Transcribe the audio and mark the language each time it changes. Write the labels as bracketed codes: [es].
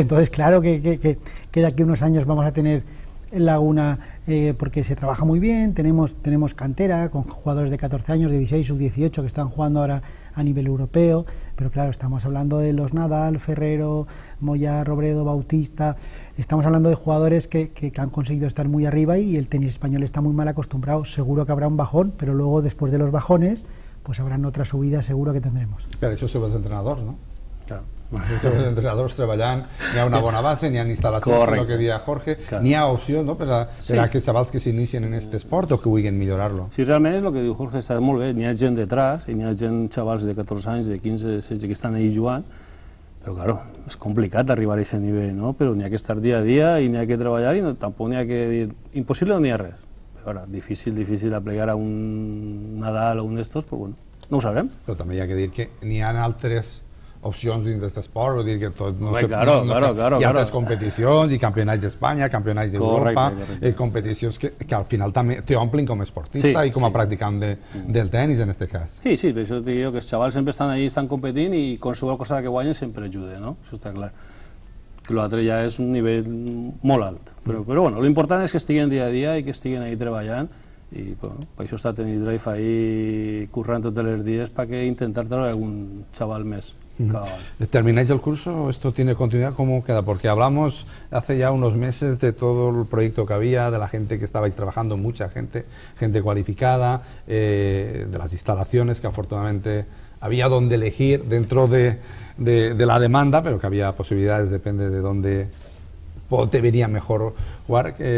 [es] Entonces, claro que de aquí a unos años vamos a tener laguna, porque se trabaja muy bien, tenemos cantera con jugadores de 14 años, de 16, sub 18, que están jugando ahora a nivel europeo, pero claro, estamos hablando de los Nadal, Ferrero, Moya, Robredo, Bautista, estamos hablando de jugadores que han conseguido estar muy arriba y el tenis español está muy mal acostumbrado. Seguro que habrá un bajón, pero luego, después de los bajones, pues habrán otra subida, seguro que tendremos. Claro, eso se va de entrenador, ¿no? Claro. [ca] Els entrenadors treballant, n'hi ha una bona base, n'hi ha instal·lacions, el que deia Jorge, n'hi ha opció per a aquests xavals que s'inicien en aquest esport o que vulguin millorar-lo. Sí, realment és el que diu Jorge, està molt bé, n'hi ha gent detrás, n'hi ha gent, xavals de 14 anys, de 15, 16, que estan ahí jugant, però claro, és complicat arribar a aquest nivell, però n'hi ha que estar dia a dia i n'hi ha que treballar i tampoc n'hi ha que dir, impossible no n'hi ha res. Però ara, difícil aplegar a un Nadal o un d'estos, però bueno, no ho sabrem. Però també hi ha que dir que n'hi ha altres opcions dins d'aquest esport, vull dir que tot no sé, hi ha altres competicions i campionats d'Espanya, campionats d'Europa, competicions que al final també t'omplin com a esportista i com a practicant del tenis en aquest cas. Sí, sí, per això et diria que els xavals sempre estan allà, estan competint i qualsevol cosa que guanyen sempre ajuda, no? Això està clar. Que l'altre ja és un nivell molt alt, però bueno, l'important és que estiguin dia a dia i que estiguin allà treballant [es] y bueno, [ca] per això està tenint drive ahí currant tots els dies perquè intentar treure algun xaval més. [es] Claro. ¿Termináis el curso o esto tiene continuidad? ¿Cómo queda? Porque hablamos hace ya unos meses de todo el proyecto que había, de la gente que estabais trabajando, mucha gente, gente cualificada, de las instalaciones que afortunadamente había donde elegir dentro de la demanda, pero que había posibilidades, depende de dónde te venía mejor jugar.